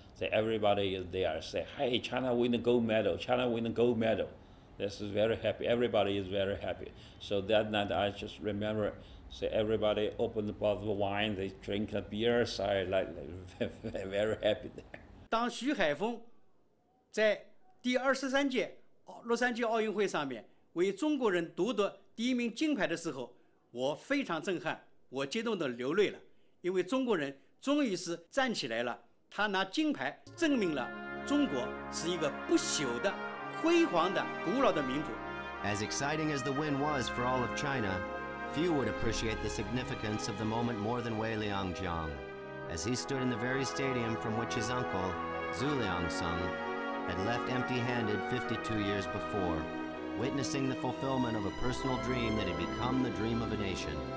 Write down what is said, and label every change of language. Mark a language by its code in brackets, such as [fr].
[en] Say everybody is there, say, hey, China win the gold medal, China win the gold medal. This is very happy, everybody is very happy. So that night I just remember, say everybody open the bottle of wine, they drink a beer, so I like very happy there. [zh] 当徐海峰在第二十三届洛杉矶奥运会上面为中国人夺得第一名金牌的时候，我非常震撼，我激动地流泪了，因为中国人终于是站起来了，他拿金牌证明了中国是一个不朽的、辉煌的、古老的民族。 [en] As exciting as the win was for all of China, few would appreciate the significance of the moment more than Weiliang Jiang. As he stood in the very stadium from which his uncle, Zu-Liang Sung, had left empty-handed 52 years before, witnessing the fulfillment of a personal dream that had become the dream of a nation.